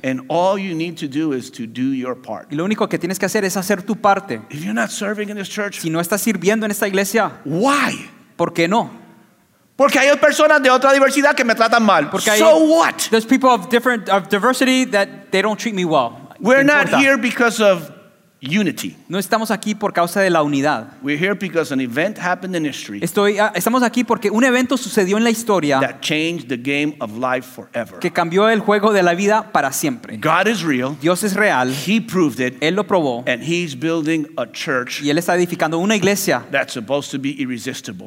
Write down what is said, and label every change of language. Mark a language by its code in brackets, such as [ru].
[en] And all you need to do is to do your part. [es] Y lo único que tienes que hacer es hacer tu parte. [en] If you're not serving in this church, [es] si no estás sirviendo en esta iglesia, [en] why? [es] ¿Por qué no? Porque hay personas de otra diversidad que me tratan mal. Porque [en] so what? There's people of diversity that they don't treat me well. We're not here because of unity. [es] No estamos aquí por causa de la unidad. [en] We're here because an event happened in history. [es] Estamos aquí porque un evento sucedió en la historia [en] that changed the game of life forever. [es] Que cambió el juego de la vida para siempre. [en] God is real. [es] Dios es real. [en] He proved it. [es] Él lo probó. [en] And he's building a church. [es] Y él está edificando una iglesia [en] that's supposed to be irresistible.